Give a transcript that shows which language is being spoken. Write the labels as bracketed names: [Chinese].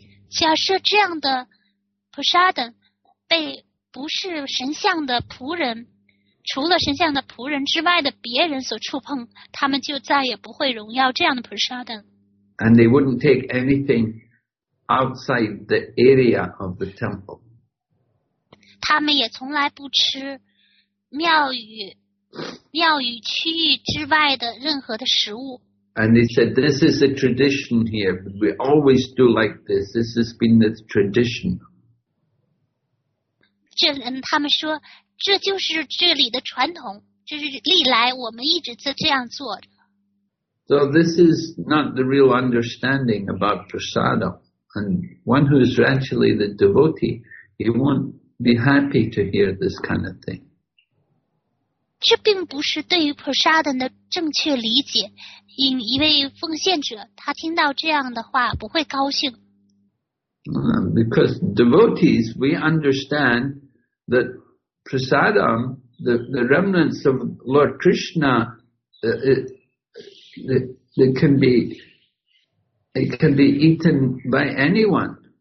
[Chinese] 假设这样的 prasad 被不是神像的仆人，除了神像的仆人之外的别人所触碰，他们就再也不会荣耀这样的 prasad。 [English] And they wouldn't take anything outside the area of the temple. [Chinese] 他们也从来不吃庙宇区域之外的任何的食物。 [English] And they said, this is a tradition here. We always do like this. This has been the tradition. [Chinese] 他们说，这就是这里的传统，这是历来我们一直在这样做的。 [English] So this is not the real understanding about prasadam. And one who is actually the devotee, he won't be happy to hear this kind of thing. [Chinese] 这并不是对于 prasadam 的正确理解。一位奉献者，他听到这样的话不会高兴。 [English] Because devotees, we understand that prasadam, the remnants of Lord Krishna, it can be eaten by anyone.